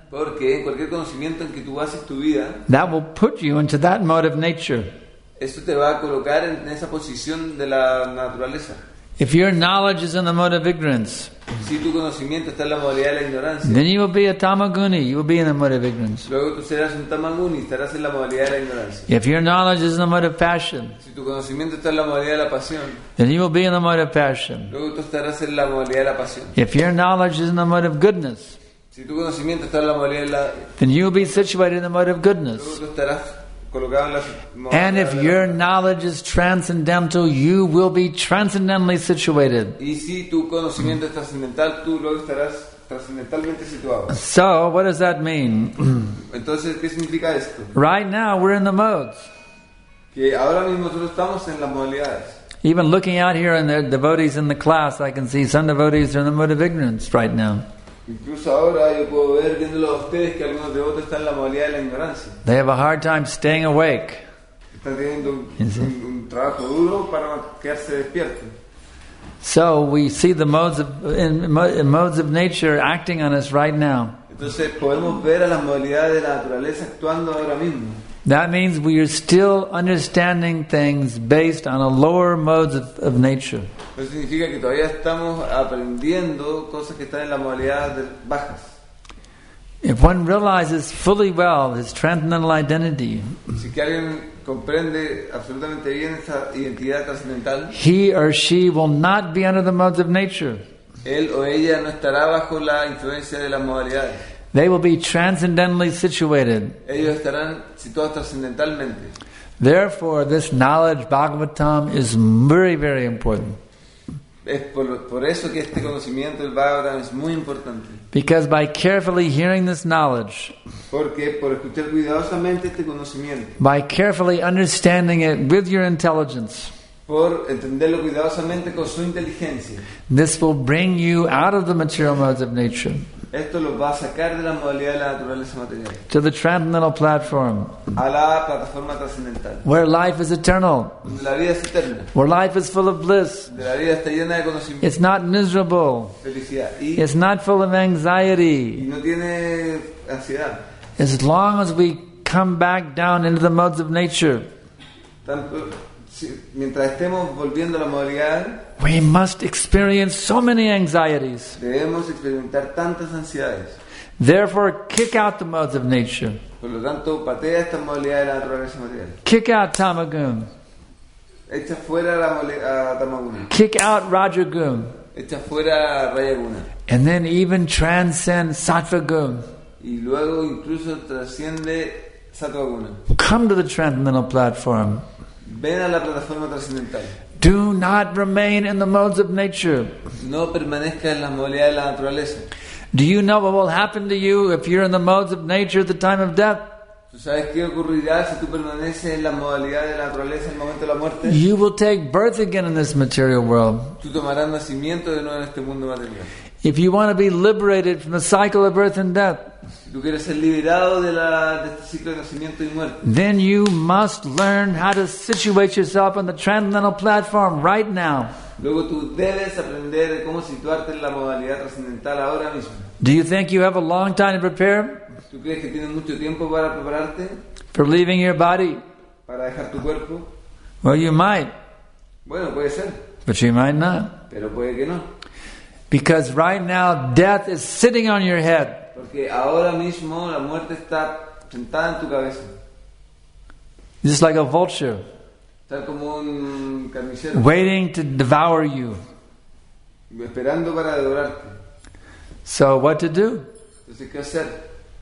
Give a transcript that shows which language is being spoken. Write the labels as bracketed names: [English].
[Spanish] porque cualquier conocimiento en que tú bases tu vida, [English] that will put you into that mode of nature. [Spanish] Esto te va a colocar en esa posición de la naturaleza. [English] If your knowledge is in the mode of ignorance, [Spanish] si tu conocimiento está en la modalidad de la ignorancia, [English] then you will be a tamaguni. You will be in the mode of ignorance. [Spanish] Luego tú serás un tamaguni, estarás en la modalidad de la ignorancia. [English] If your knowledge is in the mode of passion, [Spanish] si tu conocimiento está en la modalidad de la pasión, [English] then you will be in the mode of passion. [Spanish] Luego tú estarás en la modalidad de la pasión. [English] If your knowledge is in the mode of goodness, [Spanish] si tu conocimiento está en la modalidad de la, [English] then you will be situated in the mode of goodness. [Spanish] Luego tú estarás. [English] And if your knowledge is transcendental, you will be transcendentally situated. So, what does that mean? [Spanish] Entonces, ¿qué significa esto? [English] Right now, we're in the modes. [Spanish] Que ahora mismo nosotros estamos en las modalidades. [English] Even looking out here and the devotees in the class, I can see some devotees are in the mode of ignorance right now. [Spanish] Incluso ahora yo puedo ver viéndolo a ustedes que algunos de vosotros están en la modalidad de la ignorancia. [English] They have a hard time staying awake. [Spanish] Están teniendo un trabajo duro para quedarse despierto. [English] So we see the modes of nature acting on us right now. [Spanish] Entonces podemos ver a las modalidades de la naturaleza actuando ahora mismo. [English] That means we are still understanding things based on a lower modes of nature. [Spanish] Eso significa que todavía estamos aprendiendo cosas que están en las modalidades bajas. [English] If one realizes fully well his transcendental identity, [Spanish] si que alguien comprende absolutamente bien esa identidad transcendental, [English] he or she will not be under the modes of nature. [Spanish] Él o ella no estará bajo la influencia de las modalidades. [English] They will be transcendentally situated. [Spanish] Ellos estarán situados transcendentalmente. [English] Therefore, this knowledge, Bhagavatam, is very, very important. [Spanish] Es por eso que este conocimiento del Bhagavatam es muy importante. [English] Because by carefully hearing this knowledge, [Spanish] porque por escuchar cuidadosamente este conocimiento, [English] by carefully understanding it with your intelligence, [Spanish] por entenderlo cuidadosamente con su inteligencia, [English] this will bring you out of the material modes of nature. [Spanish] Esto los va a sacar de la modalidad de la naturaleza material. [English] To the transcendental platform. [Spanish] A la plataforma transcendental. [English] Where life is eternal. [Spanish] Donde la vida es eterna. [English] Where life is full of bliss. [Spanish] Donde la vida está llena de conocimiento. [English] It's not miserable. [Spanish] Felicidad. [English] It's not full of anxiety. [Spanish] Y no tiene ansiedad. [English] As long as we come back down into the modes of nature. [Spanish] Tanto, si, mientras estemos volviendo a la modalidad. [English] We must experience so many anxieties. [Spanish] Debemos experimentar tantas ansiedades. [English] Therefore, kick out the modes of nature. [Spanish] Por lo tanto, patea esta modalidad de la naturaleza material. [English] Kick out tamagun. [Spanish] Echa fuera la tamaguna. [English] Kick out rajagun. [Spanish] Echa fuera rayaguna. [English] And then even transcend sattvagun. [Spanish] Y luego incluso trasciende sattvaguna. [English] Come to the transcendental platform. [Spanish] Ven a la plataforma transcendental. [English] Do not remain in the modes of nature. [Spanish] No permanezca en las modalidades de la naturaleza. [English] Do you know what will happen to you if you're in the modes of nature at the time of death? [Spanish] ¿Tú sabes qué ocurrirá si tú permaneces en la modalidad de la naturaleza en el momento de la muerte? [English] You will take birth again in this material world. [Spanish] Tú tomarás nacimiento de nuevo en este mundo material. [English] If you want to be liberated from the cycle of birth and death, then you must learn how to situate yourself on the transcendental platform right now. Do you think you have a long time to prepare? [Spanish] ¿Tú crees que tienes mucho tiempo para prepararte? [English] For leaving your body? [Spanish] Para dejar tu cuerpo? [English] Well, you might. [Spanish] Bueno, puede ser. [English] But you might not. [Spanish] Pero puede que no. [English] Because right now death is sitting on your head. [Spanish] Porque ahora mismo la muerte está sentada en tu cabeza. [English] Just like a vulture. [Spanish] Está como un carnicero. [English] Waiting to devour you. [Spanish] Esperando para devorarte. [English] So what to do? [Spanish] Entonces, ¿qué hacer?